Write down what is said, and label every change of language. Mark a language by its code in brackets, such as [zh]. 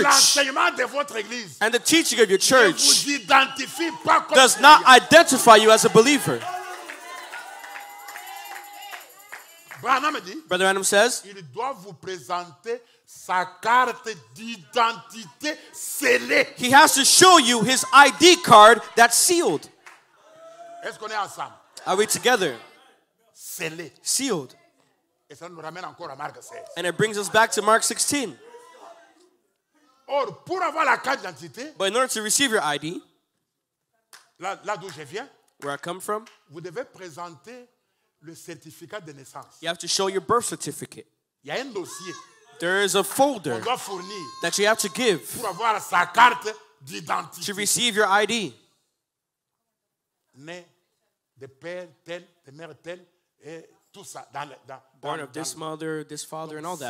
[fr] et l'enseignement de votre église, [en] and the teaching of your church, [fr] ne vous identifie pas comme [en] does not identify you as a believer. Brother Adam says, [fr] il doit vous présenter sa carte d'identité scellée. [en] He has to show you his ID card that's sealed. [fr] Est-ce qu'on est ensemble? [en] Are we together? [fr] Scellée. [en] Sealed. [fr] Et ça nous ramène encore à Marc 16. [en] And it brings us back to Mark 16. [fr] Or, pour avoir la carte d'identité, [en] but in order to receive your ID, [fr] là d'où je viens, [en] where I come from, [fr] vous devez présenter le certificat de naissance. [en] You have to show your birth certificate. [fr] Il y a un dossier. [en] There is a folder [fr] on doit fournir [en] that you have to give [fr] pour avoir sa carte d'identité. [en] To receive your ID. [fr] Né de père tel, de mère tel, et tout ça. [en] Born of this mother, this father, and all that.